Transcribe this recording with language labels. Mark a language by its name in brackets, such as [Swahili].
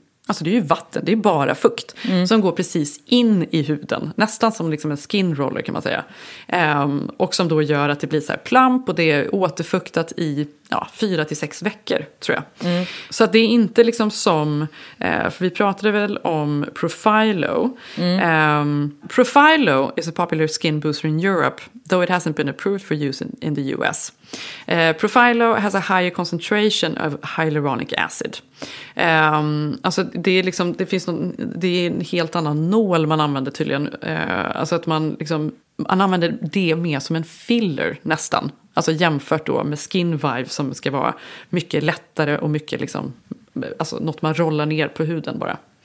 [Swedish] Alltså det är ju vatten, det är bara fukt som går precis in i huden. Nästan som liksom en skin roller kan man säga. Och som då gör att det blir så här plump och det är återfuktat i 4-6 veckor, tror jag. Så att det är inte liksom som, för vi pratade väl om Profilo. [English] Profilo is a popular skin booster in Europe, though it hasn't been approved for use in the US. Profilo has a higher concentration of hyaluronic acid. [Swedish] Alltså det är liksom, det finns någon, det är en helt annan nål man använder tydligen. Alltså att man liksom, man använder det mer som en filler nästan. Alltså jämfört då med Skin Vive som ska vara mycket lättare och mycket liksom, alltså något man rollar ner på huden bara.